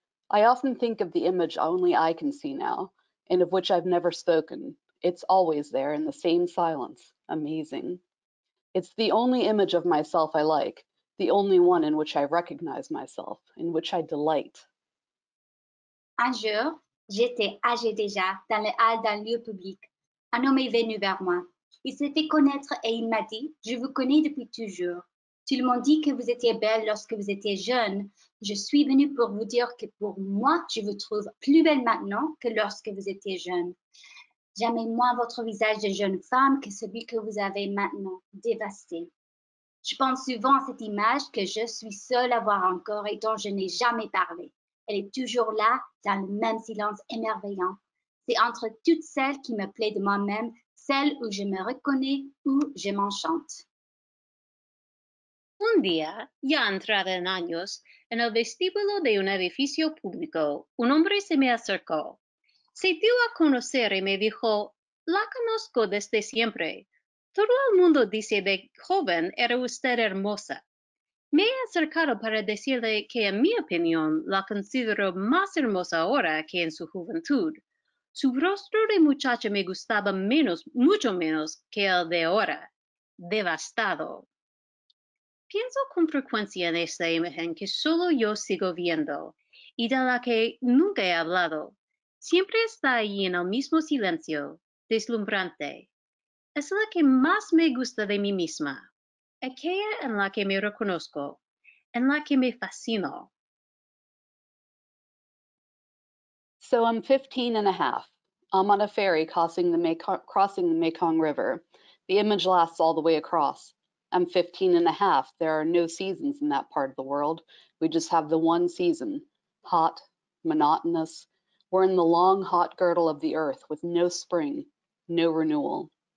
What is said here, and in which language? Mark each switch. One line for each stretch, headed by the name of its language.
English: I often think of the image only I can see now, and of which I've never spoken. It's always there in the same silence, amazing. It's the only image of myself I like, the only one in which I recognize myself, in which I delight."
French: Un jour. J'étais âgé déjà dans les halles d'un lieu public. Un homme est venu vers moi. Il s'est fait connaître et il m'a dit, « Je vous connais depuis toujours. Tout le monde dit que vous étiez belle lorsque vous étiez jeune. Je suis venu pour vous dire que pour moi, je vous trouve plus belle maintenant que lorsque vous étiez jeune. J'aimais moins votre visage de jeune femme que celui que vous avez maintenant, dévasté. Je pense souvent à cette image que je suis seule à voir encore et dont je n'ai jamais parlé. Elle est toujours là, dans le même silence émerveillant. C'est entre toutes celles qui me plaît de moi-même, celles où je me reconnais, où je m'enchante.
Spanish: Un día, ya entrada en años, en el vestíbulo de un edificio público, un hombre se me acercó. Se dio a conocer y me dijo, "La conozco desde siempre. Todo el mundo dice de joven era usted hermosa." Me he acercado para decirle que, en mi opinión, la considero más hermosa ahora que en su juventud. Su rostro de muchacha me gustaba menos, mucho menos, que el de ahora. Devastado. Pienso con frecuencia en esta imagen que solo yo sigo viendo, y de la que nunca he hablado. Siempre está allí en el mismo silencio, deslumbrante. Es la que más me gusta de mí misma. Aquella en la que me reconozco, en la que me fascino.
English: So I'm 15 and a half. I'm on a ferry crossing the Mekong River. The image lasts all the way across. I'm 15 and a half. There are no seasons in that part of the world. We just have the one season. Hot, monotonous. We're in the long, hot girdle of the earth with no spring, no renewal.